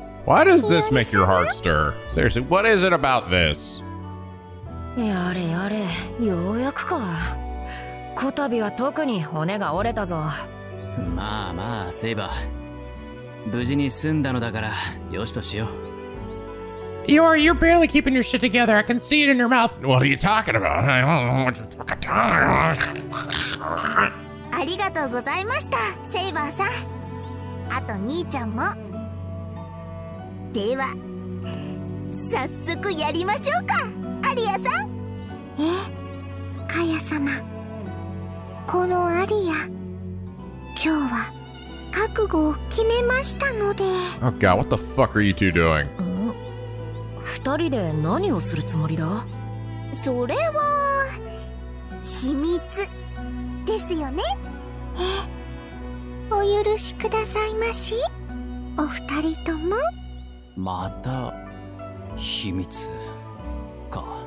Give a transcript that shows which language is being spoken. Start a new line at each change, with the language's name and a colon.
English: Why does this make your heart stir? Seriously, what is it about this?
Japanese: やれやれ、ようやくか。こたびは特に骨が折れたぞ。まあまあ、セイバー。無事に済んだのだから、よしとしよう。
English: You're barely keeping your shit together. I can see it in your mouth. What are you talking about? I don't know what you're fucking talking about.
Japanese: ありがとうございました、セイバーさん。あと兄ちゃんも。では、早速やりましょうか、アリアさん。え、カヤ様。このアリア、今日は覚悟を決めましたので。
English: Oh God, what the fuck are you two doing?
Japanese: 二人で何をするつもりだ？それは秘密ですよね。え、お許しくださいまし、お二人とも。また秘密か。